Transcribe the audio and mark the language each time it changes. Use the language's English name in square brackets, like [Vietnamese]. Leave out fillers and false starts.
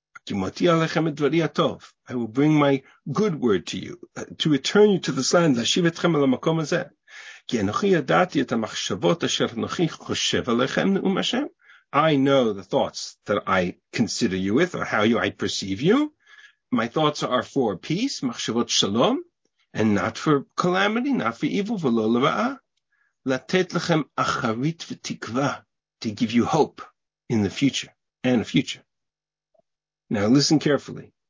[English] I will bring my good word to you, to return you to this land, [Hebrew] להשיב אתכם אל המקום הזה. כי אנוכי ידעתי את המחשבות אשר אנוכי חושב עליכם, נאום השם. [English] I know the thoughts that I consider you with, or how you, I perceive you. My thoughts are for peace, [Hebrew] מחשבות שלום, [English] and not for calamity, not for evil, [Hebrew] ולא לרעה. לתת לכם אחרית ותקווה, [English] to give you hope in the future, and a future. Now listen carefully.